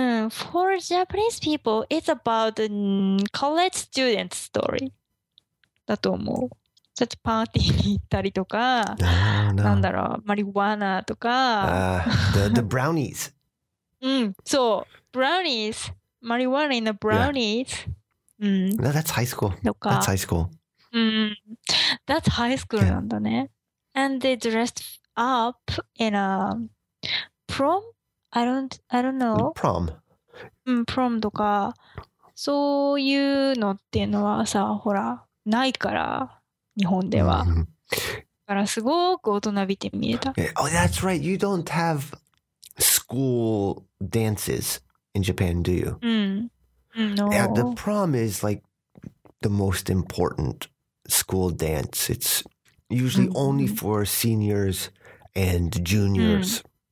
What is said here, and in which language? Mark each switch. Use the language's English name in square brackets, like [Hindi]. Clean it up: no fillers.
[English] For Japanese people, it's about a college student story. [Japanese] だと思う。ちょっとパーティーに行ったりとか、なんだろう、マリワナとか。 [English] The brownies. [Japanese] そう。Brownies. マリワナ in the brownies. [English] No, that's high school. That's high school. That's high school [Japanese] なんだね。 [English] And they dressed up in a prom? I don't know. Prom. [Japanese] Prom とか、そういうのっていうのはさ、ほら、ないから、日本では。だからすごく大人びて見えた。 [English] Oh, that's right. You don't have school dances in Japan, do you? No. Yeah, the prom is like the most important school dance. It's usually only for seniors and juniors.